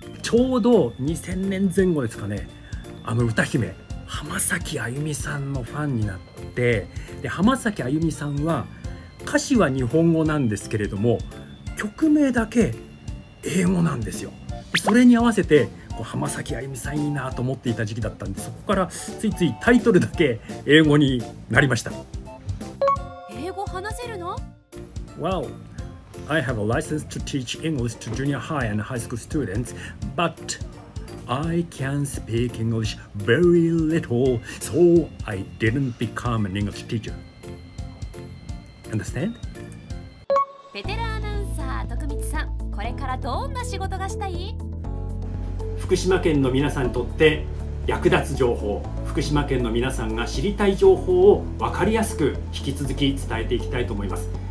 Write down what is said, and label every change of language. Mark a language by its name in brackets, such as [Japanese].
[Japanese] ちょうど2000年前後ですかね、あの歌姫浜崎あゆみさんのファンになって、で浜崎あゆみさんは歌詞は日本語なんですけれども曲名だけ英語なんですよ。それに合わせて浜崎あゆみさんいいなと思っていた時期だったんで、そこからついついタイトルだけ英語になりました。英語話せるの？ [English] Well, I have a license to teach English to junior high and high school students, but I can speak English very little, so I didn't become an English teacher. Understand? [Japanese] ベテランアナウンサー徳光さん、これからどんな仕事がしたい？福島県の皆さんにとって役立つ情報、福島県の皆さんが知りたい情報を分かりやすく引き続き伝えていきたいと思います。